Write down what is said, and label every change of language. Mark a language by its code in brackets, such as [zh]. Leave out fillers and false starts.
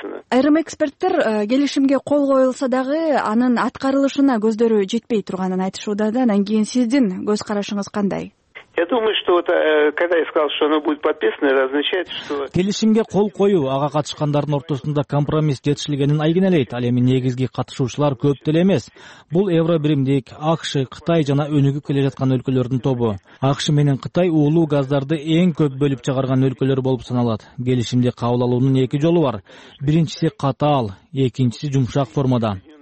[ky] Айрым эксперттер келишимге кол коюлса дагы анын аткарылышына көздөрү жетпей турганын айтышууда да, анан кийин сиздин көз карашыңыз кандай? [ru] Я думаю, что вот когда я сказал, что оно будет подписано, это означает, что [ky] келишимге кол коюу ага катышкандардын ортосунда компромисс жетишилгенин айгинелейт. Ал эми негизги катышуучулар көп деле эмес. Бул Евробиримдик, АКШ, Кытай жана өнүгүп келе жаткан өлкөлөрдүн тобу. АКШ менен Кытай уулуу газдарды эң көп бөлүп чыгарган өлкөлөр болуп саналат. Келишимди кабыл алуунун эки жолу бар. Биринчиси катаал, экинчиси жумшак формада.